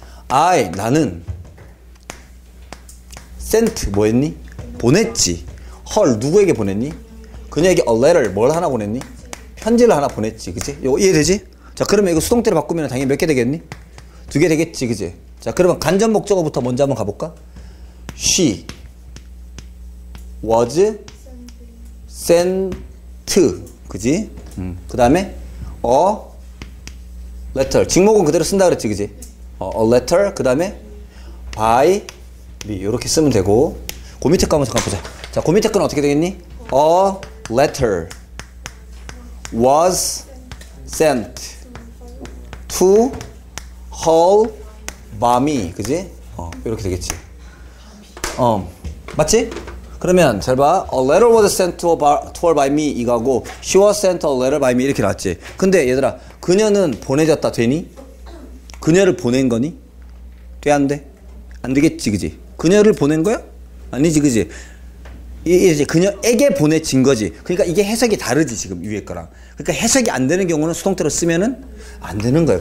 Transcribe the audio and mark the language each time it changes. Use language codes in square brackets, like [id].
[ko] I, 나는 sent 뭐 했니? 보냈지. her 누구에게 보냈니? 그녀에게 a letter 뭘 하나 보냈니? 편지를 하나 보냈지. 그치? 이거 이해되지? 자 그러면 이거 수동태로 바꾸면 당연히 몇 개 되겠니? 두 개 되겠지. 그치? 자 그러면 간접 목적어부터 먼저 한번 가볼까? [en] She was sent, [ko] 그지? 그 다음에 a letter, 직목은 그대로 쓴다 그랬지, 그지? 어, a letter, 그 다음에 by me, 이렇게 쓰면 되고 그 밑에 거 한번 잠깐 보자. 자, 그 밑에 거는 어떻게 되겠니? [en] a letter was sent to her mommy, [ko] 그지? 어, 이렇게 되겠지. 어, 맞지? 그러면 잘 봐. [en] A letter was sent to her by me [ko] 이거고 [en] she was sent a letter by me [ko] 이렇게 나왔지. 근데 얘들아 그녀는 보내졌다 되니? 그녀를 보낸 거니? 돼 안 돼? 안 되겠지 그지? 그녀를 보낸 거야? 아니지 그지? 이제 그녀에게 보내진 거지. 그러니까 이게 해석이 다르지 지금 위에 거랑. 그러니까 해석이 안 되는 경우는 수동태로 쓰면은 안 되는 거야.